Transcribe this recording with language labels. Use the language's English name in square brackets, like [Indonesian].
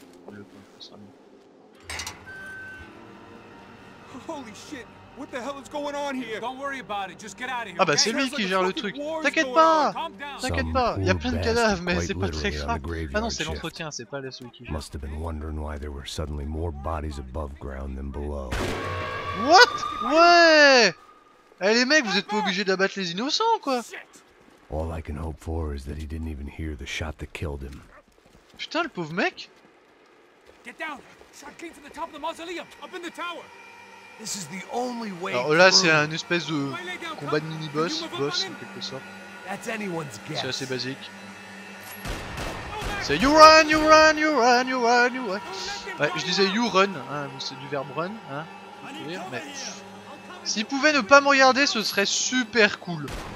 [French] Le point, ça sera mieux. [English] Holy shit! What the hell is going on here? Don't worry about it. Just get out of here. [French] Ah bah c'est lui qui gère le truc. T'inquiète pas. T'inquiète pas. Il y a plein de cadavres, mais c'est pas très grave. Ah non, c'est l'entretien, c'est pas celui qui gère. [English] Must have been wondering why there were suddenly more bodies above ground than below. What? Ouais. [French] Eh les mecs, vous êtes pas obligés d'abattre les innocents, quoi. [English] All I can hope for is that he didn't even hear the shot that killed him. Putain, le pauvre mec. Get down. Shot came from the top of the mausoleum, up in the tower. This is the only way. [French] Alors là, c'est un espèce de combat de mini boss, en quelque sorte. C'est assez basique. C'est you run. Ouais, je disais you run, hein, c'est du verbe run, hein. Mais s'il pouvait ne pas me regarder, ce serait super cool.